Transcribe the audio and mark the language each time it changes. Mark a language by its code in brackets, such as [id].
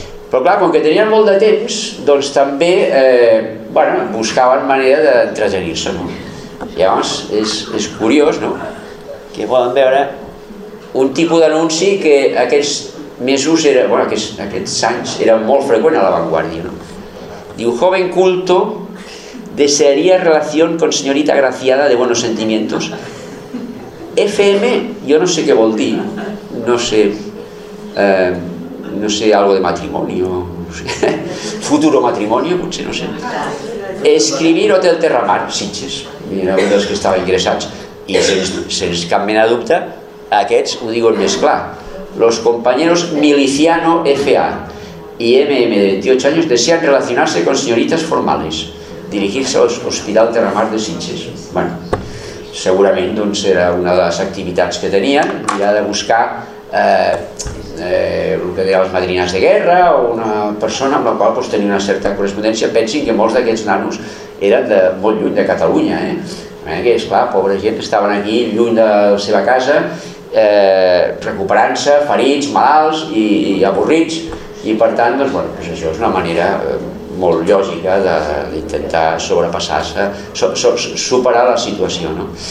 [ca] Però clar, com que tenien molt de temps, doncs també bueno, buscaven manera d'entretenir-se, no? Llavors, és curiós, no?, que poden veure un tipus d'anunci que aquests mesos, era, bueno, aquests anys, era molt freqüent a La Vanguardia, no? [es] Diu, joven culto, desearía relación con señorita agraciada de buenos sentimientos. [ca] FM, jo no sé què vol dir, no sé, no sé, [es] algo de matrimonio, [ca] no sé, [es] futuro matrimonio, [ca] potser, no sé. [es] Escribir [ca] Hotel Terramar, Sitges, era un dels que estava ingressats, i sense cap mena de dubte, aquests ho diuen més clar. [es] Los compañeros Miliciano F.A. y M.M. de 28 años desean relacionarse con señoritas formales, dirigirse al Hospital Terramar de Sitges. [ca] Bueno, segurament doncs, era una de les activitats que tenien, mirar de buscar el que deia les madrines de guerra o una persona amb la qual doncs, tenia una certa correspondència. Pensin que molts d'aquests nanos eren de molt lluny de Catalunya. Que és clar, pobra gent, estaven aquí lluny de la seva casa, recuperant-se, ferits, malalts i avorrits, i per tant doncs, bueno, doncs això és una manera molt lògica d'intentar sobrepassar-se, superar la situació. No?